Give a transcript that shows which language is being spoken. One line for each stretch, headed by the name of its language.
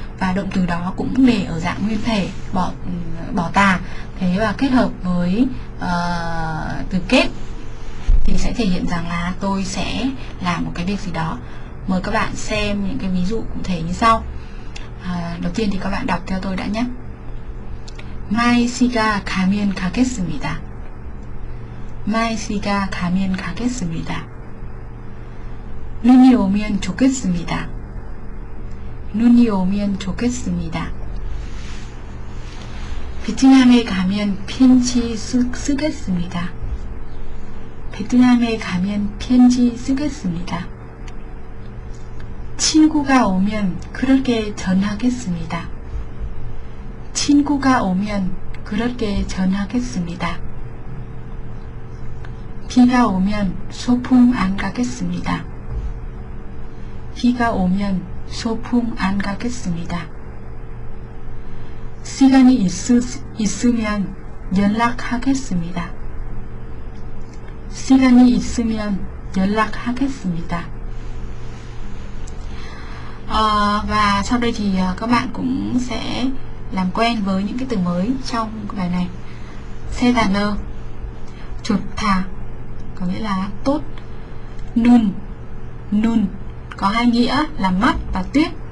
Vietnamese: Và động từ đó cũng để ở dạng nguyên thể, bỏ tà. Thế và kết hợp với từ kết thì sẽ thể hiện rằng là tôi sẽ làm một cái việc gì đó. Mời các bạn xem những cái ví dụ cụ thể như sau. Đầu tiên thì các bạn đọc theo tôi đã nhé.
Korean: 마이 씨가 가면 가겠습니다. 마이 씨가 가면 가겠습니다. 눈이 오면 좋겠습니다. 눈이 오면 좋겠습니다. 베트남에 가면 편지 쓰겠습니다. 베트남에 가면 편지 쓰겠습니다. 친구가 오면 그렇게 전하겠습니다. 친구가 오면 그렇게 전하겠습니다. 비가 오면 소풍 안 가겠습니다. 비가 오면 소풍 안 가겠습니다. 시간이 있으면 연락하겠습니다. 시간이 있으면 연락하겠습니다.
Vietnamese: Và sau đây thì các bạn cũng sẽ làm quen với những cái từ mới trong bài này. 세다너 좋다 có nghĩa là tốt. 눈 có hai nghĩa là mắt và tuyết.